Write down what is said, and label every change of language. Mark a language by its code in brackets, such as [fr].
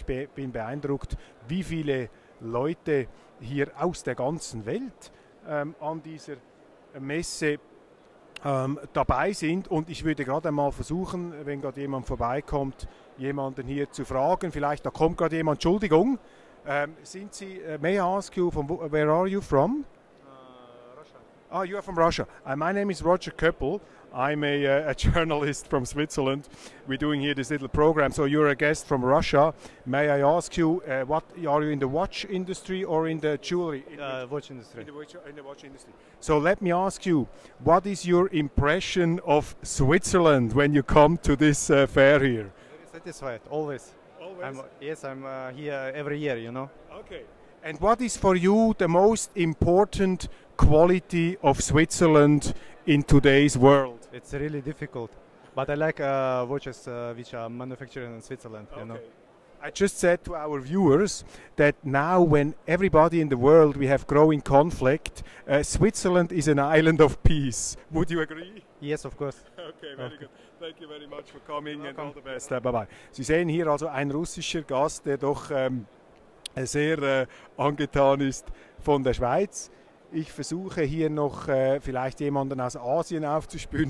[de] Ich bin beeindruckt, wie viele Leute hier aus der ganzen Welt an dieser Messe dabei sind. Und ich würde gerade einmal versuchen, wenn gerade jemand vorbeikommt, jemanden hier zu fragen. Vielleicht, da kommt gerade jemand, Entschuldigung. Sind Sie, [en] may I ask you, from where are you from? Oh, you are from Russia. My name is Roger Köppel. I'm a journalist from Switzerland. We're doing here this little program. So you're a guest from Russia. May I ask you, what are you in the watch industry or in the jewelry? In the watch industry. So let me ask you, what is your impression of Switzerland when you come to this fair here? Very satisfied, always. Always? I'm here every year, you know. Okay. And what is for you the most important quality of Switzerland in today's world? It's really difficult, but I like watches which are manufactured in Switzerland. Okay. You know. I just said to our viewers that now when everybody in the world we have growing conflict, Switzerland is an island of peace. Would you agree? Yes, of course. Okay, very okay. Good. Thank you very much for coming and all the best. Bye-bye. [de] Sie sehen hier also ein russischer Gast, der doch sehr angetan ist von der Schweiz. Ich versuche hier noch vielleicht jemanden aus Asien aufzuspüren.